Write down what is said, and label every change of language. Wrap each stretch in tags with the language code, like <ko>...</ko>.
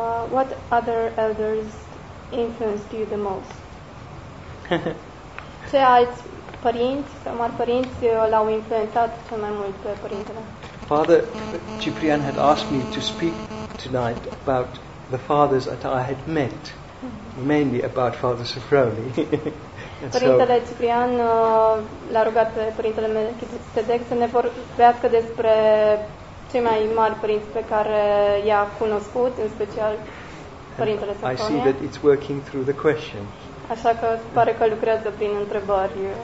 <en>What other elders influenced you the most?</en> <ro>Ce alți părinți sau mari părinți l-au influențat cel mai mult pe părintele?</ro> <en>Father Ciprian had asked me to speak tonight about the fathers that I had met, mainly about Father Sofroni.</en> <ro>Părintele Ciprian l-a rugat pe părintele Melchizedec să ne vorbească despre cei mai mari părinți pe care i-a cunoscut, în special părintele Sofroni.</ro> <en>I see that it's working through the question.</en> <ro>Așa că pare că lucrează prin întrebări.</ro>